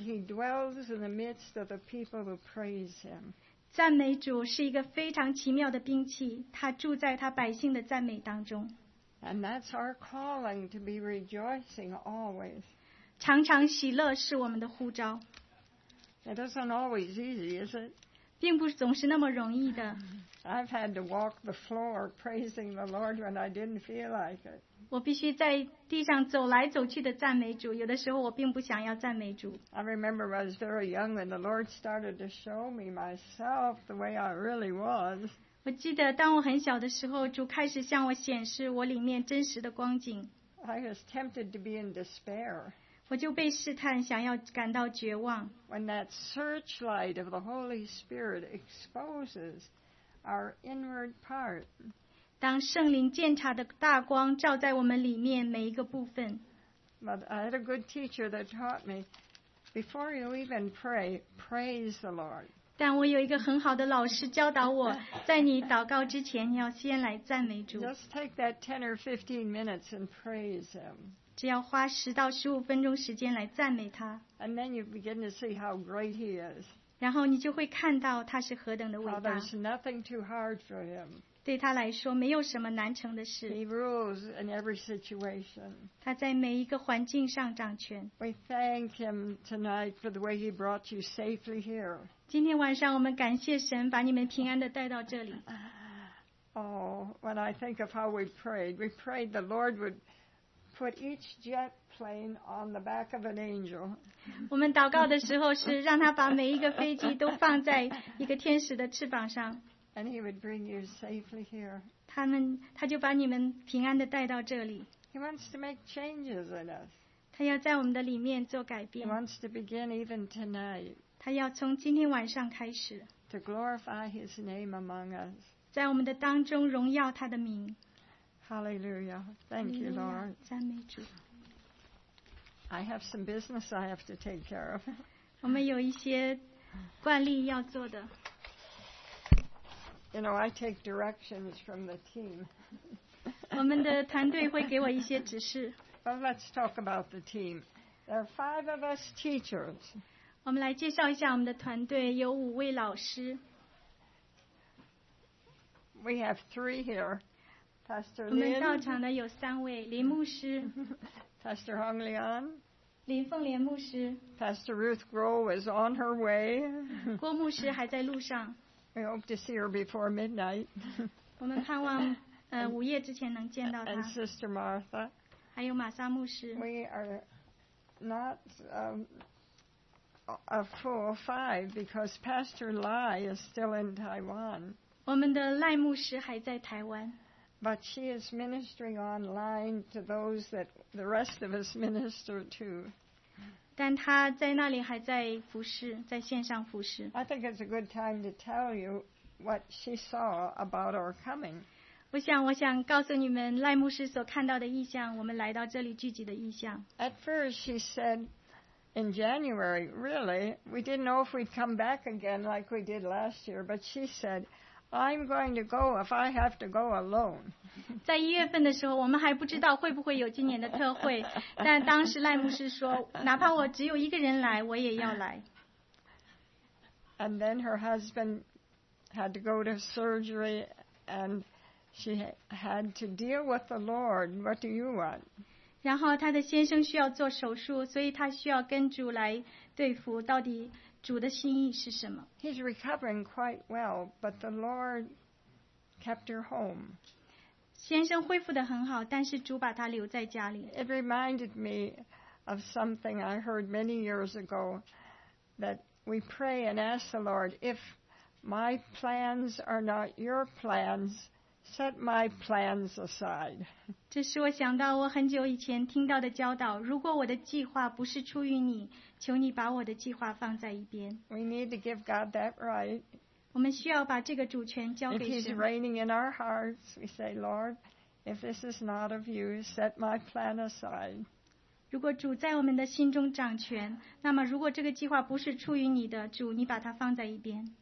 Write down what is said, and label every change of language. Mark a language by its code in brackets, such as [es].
[en] He dwells in the midst of the people who praise him. [zh] 赞美主是一个非常奇妙的兵器，他住在他百姓的赞美当中。 [en] And that's our calling to be rejoicing always. [zh] 常常喜乐是我们的呼召。 [en] It isn't always easy, is it? [zh] 并不总是那么容易的。 [en] I've had to walk the floor praising the Lord when I didn't feel like it. [zh] 我必须在地上走来走去的赞美主，有的时候我并不想要赞美主。 [en] I remember when I was very young and the Lord started to show me myself the way I really was. [zh] 我记得当我很小的时候，主开始向我显示我里面真实的光景。 [en] I was tempted to be in despair. [zh] 我就被试探，想要感到绝望。 [en] When that searchlight of the Holy Spirit exposes our inward part. [zh] 当圣灵鉴察的大光照在我们里面每一个部分。 [en] But I had a good teacher that taught me, before you even pray, praise the Lord. [zh] 但我有一个很好的老师教导我，在你祷告之前，你要先来赞美主。 [en] Just take that 10 or 15 minutes and praise Him. [zh] 只要花10到15分钟时间来赞美他。 [en] And then you begin to see how great He is. [zh] 然后你就会看到他是何等的伟大。 [en] There's nothing too hard for Him. [zh] 对他来说，没有什么难成的事。 [en] He rules in every situation. [zh] 他在每一个环境上掌权。 [en] We thank Him tonight for the way He brought you safely here. [zh] 今天晚上我们感谢神，把你们平安的带到这里。 [en] Oh, when I think of how we prayed the Lord would put each jet plane on the back of an angel. [zh] 我们祷告的时候是让他把每一个飞机都放在一个天使的翅膀上。 [en] And he would bring you safely here. [zh] 他就把你们平安的带到这里。 [en] He wants to make changes in us. [zh] 他要在我们的里面做改变。 [en] He wants to begin even tonight. [zh] 他要从今天晚上开始。 [en] To glorify his name among us. [zh] 在我们的当中荣耀他的名。 [en] Hallelujah. Thank you, Lord. [zh] 赞美主。 [en] I have some business I have to take care of. [zh] 我们有一些惯例要做的。 [en] You know, I take directions from the team. [zh] 我们的团队会给我一些指示。 [en] Well, let's talk about the team. There are 5 of us teachers. [zh] 我们来介绍一下我们的团队，有五位老师。 [en] We have 3 here. Pastor Lin. [zh] 我们到场的有三位，林牧师。 [en] Pastor Hong Leon. [zh] 林凤莲牧师。 [en] Pastor Ruth Grohl is on her way. [zh] 郭牧师还在路上。 [en] We hope to see her before midnight. [zh] 我们盼望午夜之前能见到她。 [en] And Sister Martha. [zh] 还有玛莎牧师。 [en] We are not a full 5 because Pastor Lai is still in Taiwan. [zh] 我们的赖牧师还在台湾。 [en] But she is ministering online to those that the rest of us minister to. [zh] 但她在那里还在服侍，在线上服侍。 [en] I think it's a good time to tell you what she saw about our coming. [zh] 我想告诉你们赖牧师所看到的意象，我们来到这里聚集的意象。 [en] At first she said, in January, really, we didn't know if we'd come back again like we did last year, but she said,I'm going to go if I have to go alone. [zh] 在一月份的时候，我们还不知道会不会有今年的特会，但当时赖牧师说，哪怕我只有一个人来，我也要来。 [en] And then her husband had to go to surgery, and she had to deal with the Lord. What do you want? [zh] 然后她的先生需要做手术，所以她需要跟主来对付，到底。主的心意是什么? [en] He's recovering quite well, but the Lord kept her home. [zh] 先生恢复得很好,但是主把他留在家里。 [en] It reminded me of something I heard many years ago, that we pray and ask the Lord, if my plans are not your plans, set my plans aside. [zh] 这是我想到我很久以前听到的教导，如果我的计划不是出于你，求你把我的计划放在一边。 [en] We need to give God that right. [zh] 我们需要把这个主权交给神。 [en] If he's reigning in our hearts, we say, Lord, if this is not of you, set my plan aside. [zh] 如果主在我们的心中掌权，那么如果这个计划不是出于你的，主，你把它放在一边。